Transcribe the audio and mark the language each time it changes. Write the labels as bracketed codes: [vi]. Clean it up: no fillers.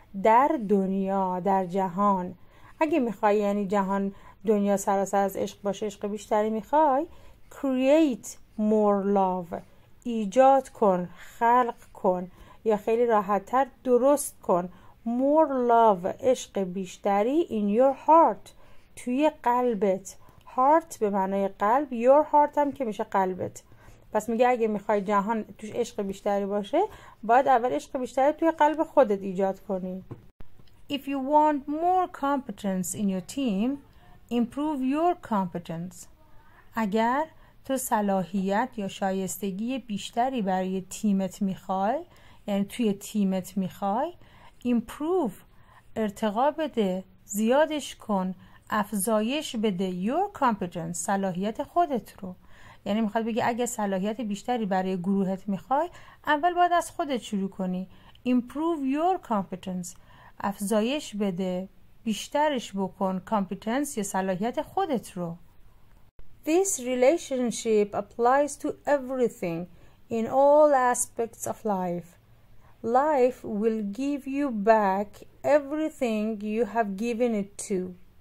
[fa] در دنیا در جهان اگه میخوای یعنی جهان دنیا سراسر از عشق باشه عشق بیشتری میخوای [en] create more love [fa] ایجاد کن خلق کن یا خیلی راحت تر درست کن [en] more love [fa] عشق بیشتری [en] in your heart [fa] توی قلبت. heart به معنای قلب، [en] your heart [fa] هم که میشه قلبت. پس میگه اگه میخوای جهان توش عشق بیشتری باشه باید اول عشق بیشتری توی قلب خودت ایجاد کنی. [en] If you want more competence in your team improve your competence. [fa] اگر تو صلاحیت یا شایستگی بیشتری برای تیمت میخوای یعنی توی تیمت میخوای improve ارتقا بده زیادش کن افزایش بده your competence صلاحیت خودت رو یعنی میخواد بگی اگه صلاحیت بیشتری برای گروهت میخوای اول باید از خودت شروع کنی [en] improve your competence [fa] افزایش بده بیشترش بکن competence یا صلاحیت خودت رو. [en] This relationship applies to everything in all aspects of life. Life will give you back everything you have given it to.